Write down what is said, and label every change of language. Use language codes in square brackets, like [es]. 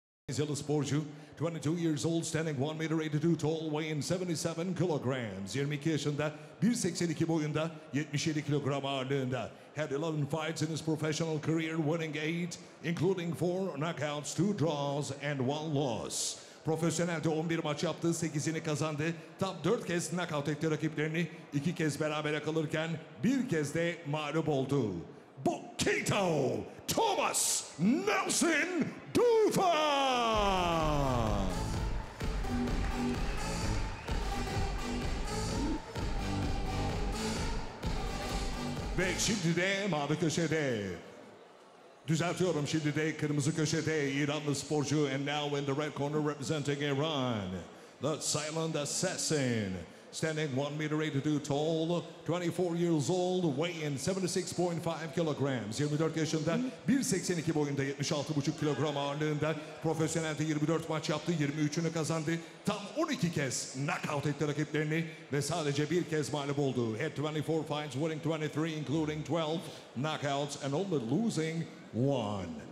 [en] Zilla sporcu, 22 years old, standing 1 meter 82 tall, weighing 77 kilograms. [tr] 22 yaşında, 1.82 boyunda, 77 kilogram ağırlığında. [en] Had 11 fights in his professional career, winning 8, including 4 knockouts, 2 draws and 1 loss. [tr] Profesyonelde 11 maç yaptı, 8'ini kazandı. Tam 4 kez knockout etti rakiplerini, 2 kez berabere kalırken 1 kez de mağlup oldu. Boquito Thomas Nelson Tufa! Ve şimdi de mavi köşede. Düzeltiyorum, şimdi de kırmızı köşede. İranlı sporcu, [en] and now in the red corner representing Iran, the silent assassin. Standing 1 meter 82 tall, 24 years old, weighing 76.5 kilograms. [tr] 24 yaşında, 1.82 boyunda, 76.5 kilogram ağırlığında. Profesyonelde 24 maç yaptı, 23'ünü kazandı. Tam 12 kez knockout etti rakiplerini ve sadece bir kez mağlup oldu. [en] Had 24 fights, winning 23, including 12 knockouts and only losing 1.